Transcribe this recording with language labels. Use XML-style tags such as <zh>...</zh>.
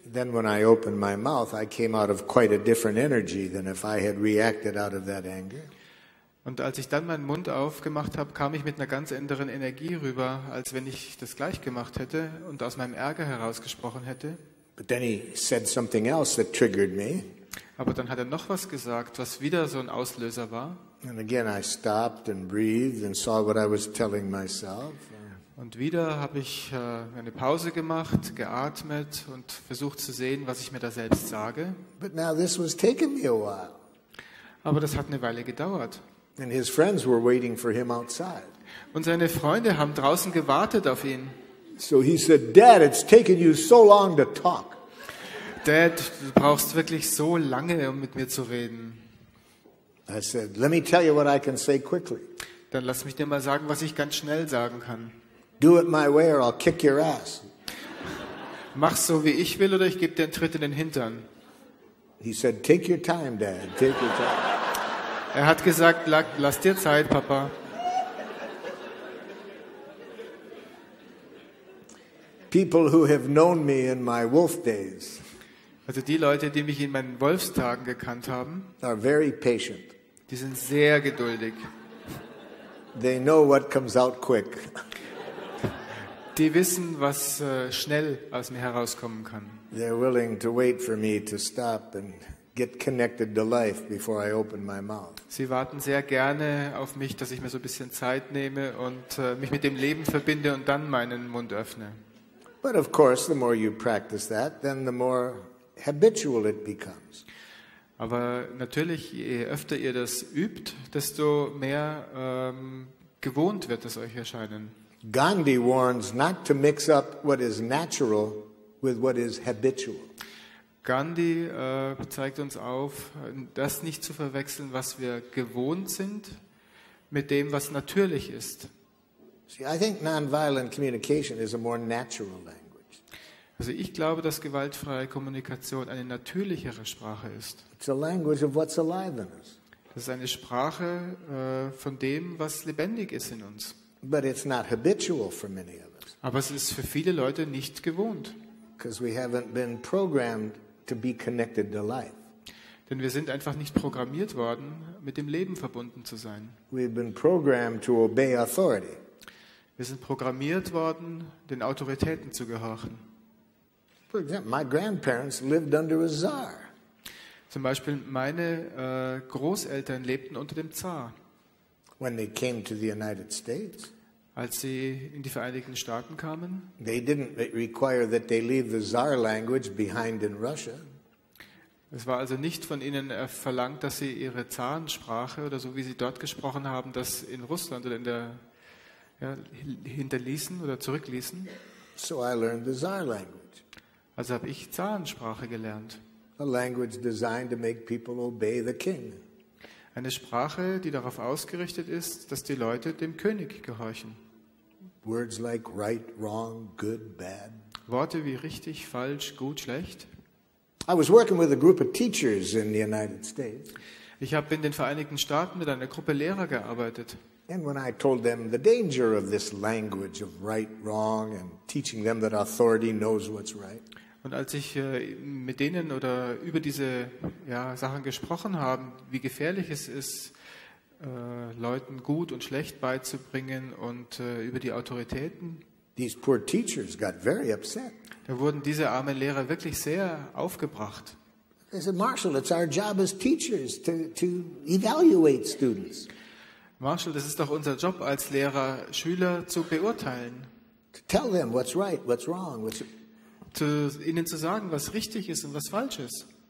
<en>Then when I opened my mouth, I came out of quite a different energy than if I had reacted out of that anger.</en> <de>Und als ich dann meinen Mund aufgemacht habe, kam ich mit einer ganz anderen Energie rüber, als wenn ich das gleich gemacht hätte und aus meinem Ärger herausgesprochen hätte.</de> <en>But then he said something else that triggered me.</en> <de>Aber dann hat er noch was gesagt, was wieder so ein Auslöser war.</de> <en>And again I stopped and breathed and saw what I was telling myself.</en> <de>Und wieder habe ich eine Pause gemacht, geatmet und versucht zu sehen, was ich mir da selbst sage.</de> <en>But now this was taking me a while.</en> <de>Aber das hat eine Weile gedauert.</de> <en>And his friends were waiting for him outside.</en> <de>Und seine Freunde haben draußen gewartet auf ihn.</de> <en>So he said, "Dad, it's taken you so long to talk."</en> <de>Dad, du brauchst wirklich so lange, um mit mir zu reden.</de> <en>I said, "Let me tell you what I can say quickly."</en> <de>Dann lass mich dir mal sagen, was ich ganz schnell sagen kann.</de> <en>Do it my way or I'll kick your ass.</en> <de>Mach's so wie ich will oder ich gebe dir einen Tritt in den Hintern.</de> <en>He said, "Take your time, Dad. Take your time."</en> <de>Er hat gesagt, lass dir Zeit, Papa.</de> <en>People who have known me in my wolf days.</en> <de>Also die Leute, die mich in meinen Wolfstagen gekannt haben,</de> <en>are very patient.</en> <de>Die sind sehr geduldig.</de> <en>They know what comes out quick.</en> <de>Die wissen, was schnell aus mir herauskommen kann.</de> <en>They're willing to wait for me to stop and get connected to life before I open my mouth.</en> <de>Sie warten sehr gerne auf mich, dass ich mir so ein bisschen Zeit nehme und mich mit dem Leben verbinde und dann meinen Mund öffne.</de> <en>But of course, the more you practice that, then the more habitual it becomes.</en> <de>Aber natürlich, je öfter ihr das übt, desto mehr gewohnt wird es euch erscheinen.</de> <en>Gandhi warns not to mix up what is natural with what is habitual.</en> <de>Gandhi zeigt uns auf, das nicht zu verwechseln, was wir gewohnt sind, mit dem, was natürlich ist.</de> <en>See, I think nonviolent communication is a more natural language.</en> <de>Also ich glaube, dass gewaltfreie Kommunikation eine natürlichere Sprache ist.</de> <en>It's a language of what's alive in us.</en> <de>Das ist eine Sprache von dem, was lebendig ist in uns.</de> <en>But it's not habitual for many of us.</en> <de>Aber es ist für viele Leute nicht gewohnt.</de> <en>Because we haven't been programmed to be connected to life.</en> <de>Denn wir sind einfach nicht programmiert worden, mit dem Leben verbunden zu sein.</de> <en>We've been programmed to obey authority.</en> <de>Wir sind programmiert worden, den Autoritäten zu gehorchen.</de> <en>For example, my grandparents lived under a czar.</en> <de>Zum Beispiel meine Großeltern lebten unter dem Zar.</de> <en>When they came to the United States.</en> <de>Als sie in die Vereinigten Staaten kamen,</de> <en>they didn't require that they leave the Tsar language behind in Russia.</en> <de>Es war also nicht von ihnen verlangt, dass sie ihre Zarensprache oder so wie sie dort gesprochen haben, das in Russland oder in der ja, hinterließen oder zurückließen.</de> <en>So I learned the Tsar language.</en> <de>Also habe ich Zarensprache gelernt.</de> <en>A language designed to make people obey the king.</en> <de>Eine Sprache, die darauf ausgerichtet ist, dass die Leute dem König gehorchen.</de> <en>Words like right, wrong, good, bad.</en> <de>Worte wie richtig, falsch, gut, schlecht.</de> <en>I was working with a group of teachers in the United States.</en> <de>Ich habe in den Vereinigten Staaten mit einer Gruppe Lehrer gearbeitet.</de> <en>And when I told them the danger of this language of right, wrong, and teaching them that authority knows what's right.</en> <de>Und als ich mit denen oder über diese Sachen gesprochen habe, wie gefährlich es ist, Leuten gut und schlecht beizubringen und über die Autoritäten,</de> <en>these poor teachers got very upset.</en> <de>Da wurden diese armen Lehrer wirklich sehr aufgebracht.</de> <en>They said, Marshall, it's our job as teachers to evaluate students.</en> <de>Marshall, das ist doch unser Job als Lehrer, Schüler zu beurteilen.</de> <en>To tell them what's right, what's wrong, what's</en> <de>zu ihnen zu sagen, was richtig ist und was falsch ist.</de>